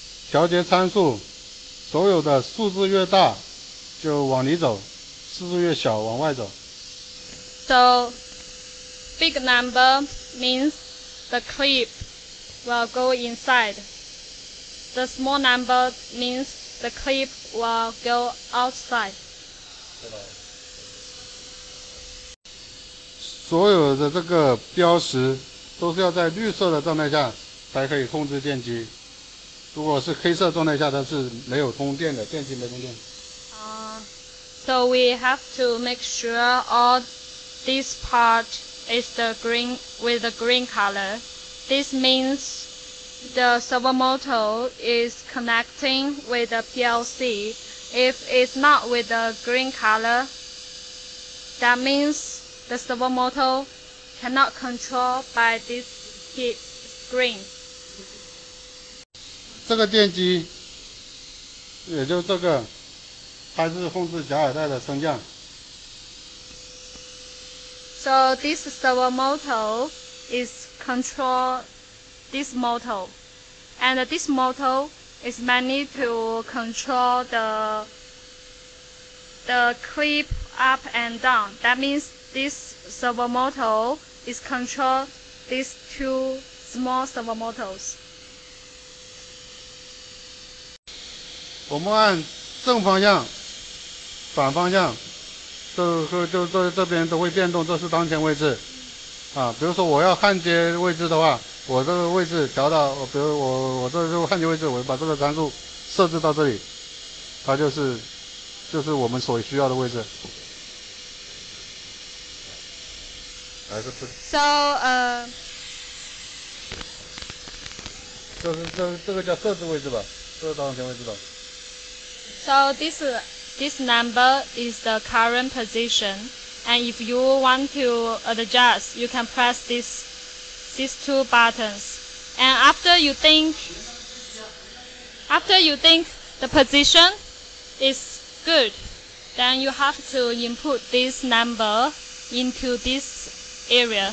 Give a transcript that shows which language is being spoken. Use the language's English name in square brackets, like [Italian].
[Chinese] 调节参数，所有的数字越大就往里走，数字越小往外走。 [English] So, big number means the clip will go inside. The small number means the clip will go outside. [Chinese] 所有的这个标识都是要在绿色的状态下才可以控制电机。如果是黑色状态下，它是没有通电的，电机没通电。 [English] So we have to make sure all this part is the green with the green color. This means the servo motor is connecting with the PLC. If it's not with the green color, that means the servo motor cannot control by this heat screen. [Chinese] 这个电机，也就是这个，它是控制夹耳带的升降。 [English] So this servo motor is control this motor, and this motor is mainly to control the clip up and down. That means this servo motor is control these two small servo motors. [Chinese] 我们按正方向、反方向，这边都会变动，这是当前位置。啊，比如说我要焊接位置的话，我这个位置调到，比如我这个焊接位置，我把这个参数设置到这里，它就是我们所需要的位置。 [English] So, [Chinese] 这个叫设置位置吧，这是当前位置吧。 [English] So this number is the current position, and if you want to adjust, you can press these two buttons. And after you think the position is good, then you have to input this number into this area.